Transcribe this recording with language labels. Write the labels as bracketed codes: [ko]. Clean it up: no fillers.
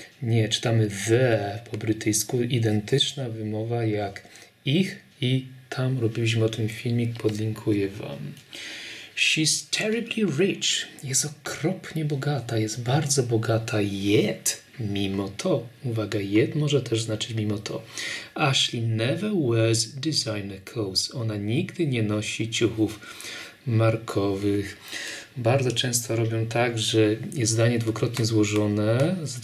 [pl] Nie, czytamy they're po brytyjsku. Identyczna wymowa jak ich i tam robiliśmy o tym filmik, podlinkuję Wam. [en] She's terribly rich. [pl] Jest okropnie bogata, jest bardzo bogata, yet, mimo to. Uwaga, yet może też znaczyć mimo to. [en] Ashley never wears designer clothes. [pl] Ona nigdy nie nosi ciuchów markowych. Bardzo często robią tak, że jest zdanie dwukrotnie złożone.